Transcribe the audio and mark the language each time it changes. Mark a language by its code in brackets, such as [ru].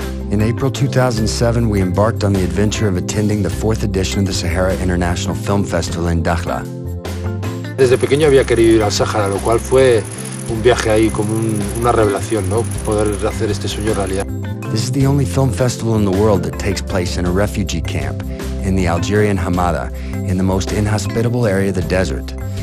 [en] In April 2007, we embarked on the adventure of attending the fourth edition of the Sahara International Film Festival in Dakhla. [es] Desde pequeño había querido ir al Sahara, lo cual fue un viaje ahí como una revelación, ¿no? Poder hacer este sueño realidad. [en] This is the only film festival in the world that takes place in a refugee camp in the Algerian Hamada, in the most inhospitable area of the desert.